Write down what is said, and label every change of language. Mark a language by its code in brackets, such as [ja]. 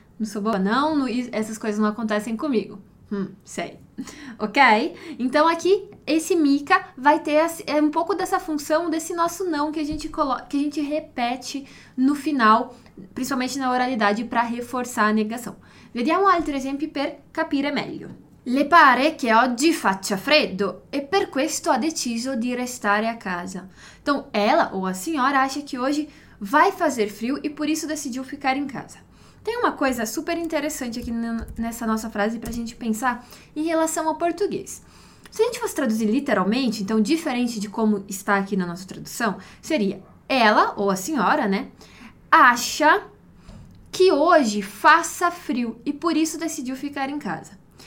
[pt] Não sou boba, não, não, essas coisas não acontecem comigo. Sei. Ok? Então, aqui, esse mica vai ter um pouco dessa função desse nosso não que a gente coloca, que a gente repete no final, principalmente na oralidade, para reforçar a negação. [it] Vediamo altri esempi per capire meglio. Le pare che oggi faccia freddo e per questo ha deciso di restare a casa. [pt] Então, ela ou a senhora acha que hoje vai fazer frio e por isso decidiu ficar em casa. Tem uma coisa super interessante aqui nessa nossa frase para a gente pensar em relação ao português. Se a gente fosse traduzir literalmente, então diferente de como está aqui na nossa tradução, seria ela ou a senhora, né, acha que hoje faça frio e por isso decidiu ficar em casa.